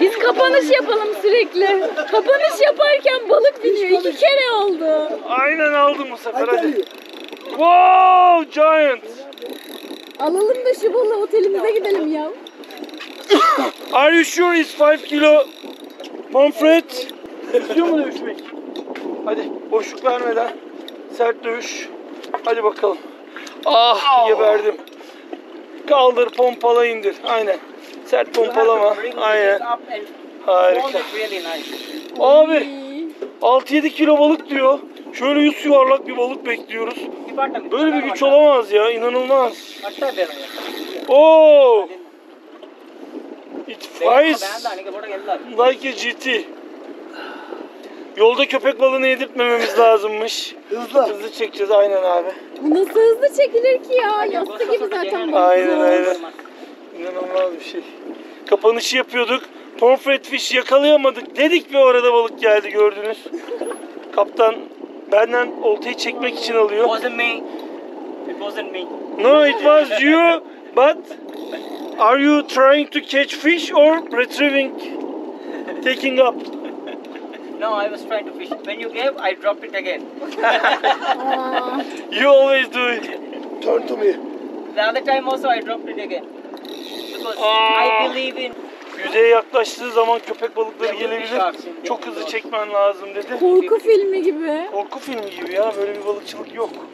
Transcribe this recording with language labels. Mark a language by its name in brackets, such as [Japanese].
[Turkish] Biz kapanış yapalım sürekli. Kapanış yaparken balık biniyor. İki kere oldu. Aynen aldım bu sefer. Hadi. [English] Wow, giant. [Turkish] Alalım da şu balığı otelimize gidelim ya. [English] Are you sure it's 5 kilo Manfred? [Turkish] Düşüyor mu dövüşmek? Hadi boşluk vermeden sert dövüş. Hadi bakalım. Ah, geberdim. Kaldır, pompala, indir. Aynen. Sert pompalama. Aynen. Harika. Abi, 6-7 kilo balık diyor. Şöyle yüz yuvarlak bir balık bekliyoruz. Böyle bir güç olamaz ya, inanılmaz. Oo! [English] It flies like a GT. [Turkish] Yolda köpek balığını yedirtmememiz lazımmış. Hızlı. Hızlı çekeceğiz aynen abi. Bu nasıl hızlı çekilir ki ya? Yastı gibi zaten balık. Aynen aynen. İnanılmaz bir şey. Kapanışı yapıyorduk. Pomfret fish yakalayamadık. Dedik bir arada balık geldi gördünüz. Kaptan benden oltayı çekmek için alıyor. [English] It wasn't me. No, it was you. But are you trying to catch fish or retrieving? Taking up. No, I was trying to fish. When you gave, I dropped it again. You always do it. Turn to me. The other time also I dropped it again. Because I believe in... [Turkish] Yüzeye yaklaştığı zaman köpek balıkları gelebilir. Çok hızlı çekmen lazım dedi. Korku filmi gibi. Korku filmi gibi ya. Böyle bir balıkçılık yok.